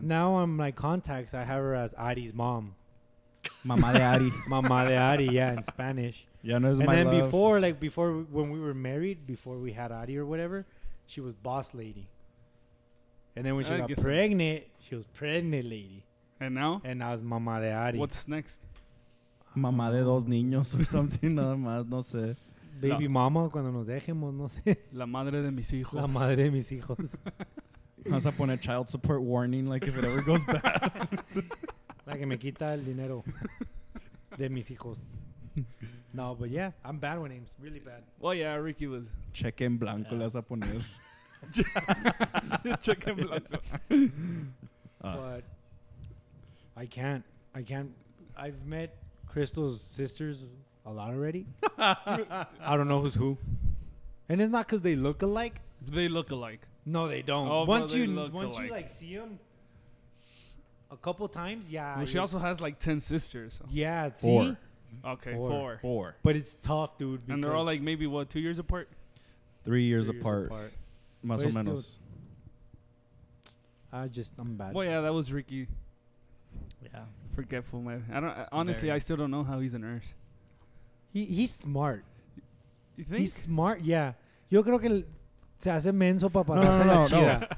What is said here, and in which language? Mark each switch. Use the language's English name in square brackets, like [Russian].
[English] Now I'm like contacts. I have her as Ari's mom. [Spanish] Mama de Ari. [English] Mama de Ari, yeah, in Spanish. [Spanish] Ya no es [English] and my then love. Before, like before when we were married, before we had Ari or whatever, she was boss lady. And then when she got pregnant, she was pregnant lady. And now? And now it's Mama de Ari. What's next? [Spanish] Mama de dos niños [English] or something, [Spanish] nada más, no sé. [English] Baby mama, [Spanish] cuando nos dejemos, no sé. La madre de mis hijos. La madre de mis hijos. Vamos a poner [English] child support warning, like if it ever goes bad. [Spanish] La que me quita el dinero de mis hijos. [English] No, but yeah, I'm bad with names, really bad. Well, yeah, Ricky was. [Spanish] Cheque en blanco le vas a poner. Cheque en blanco. [English] But I can't. I've met Crystal's sisters a lot already. I don't know who's who. And it's not because they look alike. They look alike. No, they don't. Once you like see them a couple times, yeah. Well, she also has like 10 sisters. So. Yeah, see? Four. Okay, four. Four. But it's tough, dude. And they're all like maybe, what, 2 years apart? Three years apart. [Spanish] Más o menos. [English] I'm bad. Well, yeah, that was Ricky. Yeah. Forgetful man. I still don't know how he's a nurse. He's smart. You think? He's smart, yeah. [Spanish] Yo creo que se hace menso para pasar.